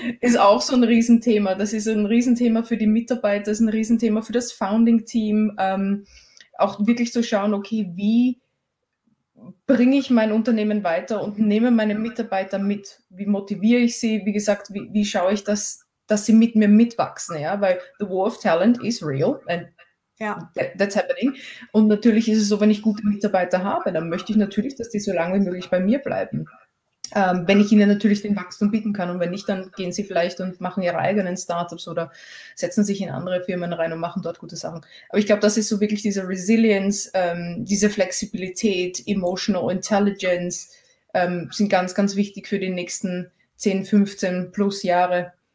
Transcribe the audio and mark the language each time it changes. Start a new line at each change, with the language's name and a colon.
German: ist auch so ein Riesenthema. Das ist ein Riesenthema für die Mitarbeiter, das ist ein Riesenthema für das Founding-Team. Auch wirklich zu schauen, okay, wie bringe ich mein Unternehmen weiter und nehme meine Mitarbeiter mit? Wie motiviere ich sie? Wie gesagt, wie schaue ich, dass sie mit mir mitwachsen? Ja? Weil
English: the war of talent is real. That's happening.
German: Und natürlich ist es so, wenn ich gute Mitarbeiter habe, dann möchte ich natürlich, dass die so lange wie möglich bei mir bleiben. Wenn ich ihnen natürlich den Wachstum bieten kann und wenn nicht, dann gehen sie vielleicht und machen ihre eigenen Startups oder setzen sich in andere Firmen rein und machen dort gute Sachen. Aber ich glaube, das ist so wirklich diese Resilience, diese Flexibilität, Emotional Intelligence sind ganz, ganz wichtig für die nächsten 10, 15 plus Jahre.